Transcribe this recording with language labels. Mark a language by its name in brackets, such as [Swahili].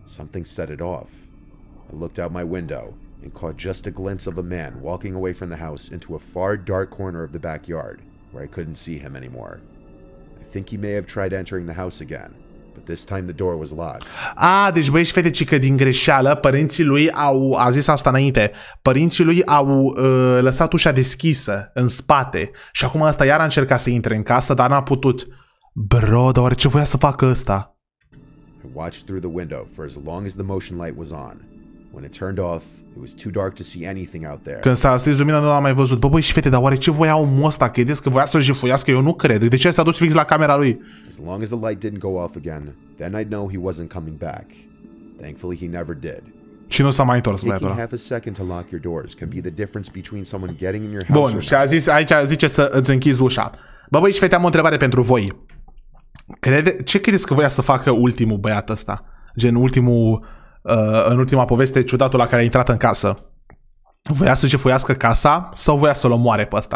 [English] Something set it off. I looked out my window and caught just a glimpse of a man walking away from the house into a far dark corner of the backyard where I couldn't see him anymore. I think he may have tried entering the house again. But this time the door was locked. [Romanian] Ah, deci băi și fete, ci că din greșeală părinții lui au, a zis asta înainte, părinții lui au lăsat ușa deschisă în spate și acum ăsta iar a încercat să intre în casă, dar n-a putut. Bro, dar oare ce voia să facă ăsta? I watched through the window for as long as the motion light was on. When it turned off, it was too dark to see anything out there. Când s-a stins lumina, nu l-am mai văzut. Bă, băi și fete, dar oare ce voia omul ăsta? Credeți că voia să-l jefuiască? Eu nu cred. De ce s-a dus fix la camera lui? [English] As long as the light didn't go off again, then I'd know he wasn't coming back. Thankfully, he never did. [Romanian] Și nu s-a mai întors, băiatul. [English] Taking half a second to lock your doors can be the difference between someone getting in your house. [Romanian] Bun, și a zis, aici zice să îți închizi ușa. Bă, băi și fete, am o întrebare pentru voi. Ce credeți că voia să facă ultimul băiat ăsta? Gen ultimul... în ultima poveste, ciudatul la care a intrat în casă, voia să jefuiască casa sau voia să-l omoare pe ăsta?